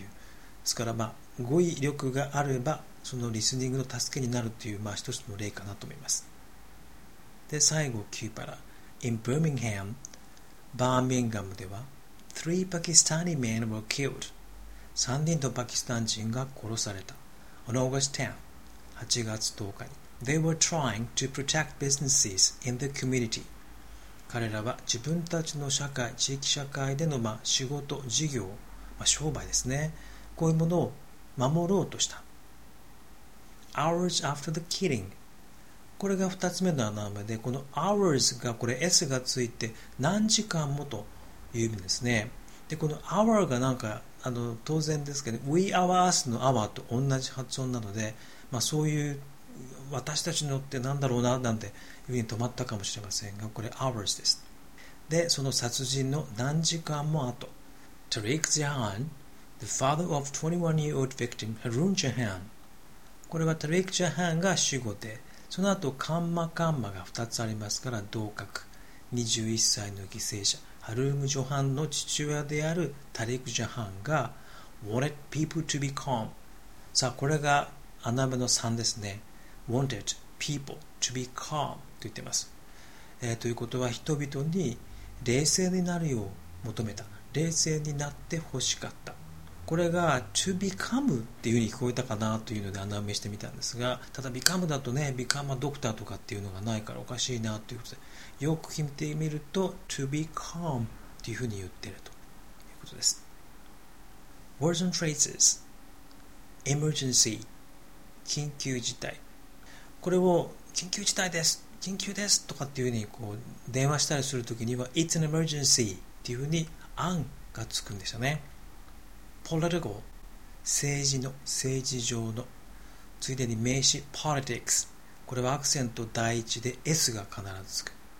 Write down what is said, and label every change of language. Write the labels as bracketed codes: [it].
[ja] ですから、まあ、語彙力があればそのリスニングの助けになるという、まあ、一つの例かなと思います。で最後キューパラ、 [en] In Birmingham [ja] バーミンガムでは [en] 3 Pakistani men were killed。 [ja] 3人のパキスタン人が殺された。 [en] On August 10, [ja] 8月10日に。 [en] They were trying to protect businesses in the community。 [ja] 彼らは自分たちの社会、地域社会での、まあ、仕事、事業、まあ、商売ですね、こういうものを守ろうとした。 [en] Hours after the killing、 [ja] これが2つ目の穴埋めで、この hours がこれ s がついて何時間もという意味ですね。でこの hour がなんか当然ですけど、 we hours の hour と同じ発音なので、まあ、そういう私たちのってなんだろうななんていうふうに止まったかもしれませんが、これ hours です。で、その殺人の何時間も後、 [en] Tariq Jahan, the father of 21-year-old victim Harun Jahan。 [ja] これは Tariq Jahan が死後で、その後カンマカンマが2つありますから、同格21歳の犠牲者ハルーム・ジョハンの父親であるタリク・ジャハンが [en] Wanted people to be calm。 [ja] さあ、これが穴目の3ですね。 [en] Wanted people to be calm と言っています。 [ja] ということは、人々に冷静になるよう求めた、冷静になってほしかった。これが to become っていうふうに聞こえたかなというので穴埋めしてみたんですが、ただ become だとね、 [en] become a doctor [ja] とかっていうのがないからおかしいなということで、よく聞いてみると to be calm っていうふうに言ってるということです。 [en] Words and phrases emergency [ja] 緊急事態。これを緊急事態です、緊急ですとかっていうふうにこう電話したりするときには [en] it's an emergency [ja] っていうふうに案がつくんですよね。 Political 政治の、政治上の。ついでに名詞 politics、 これはアクセント第一で S が必ずつく。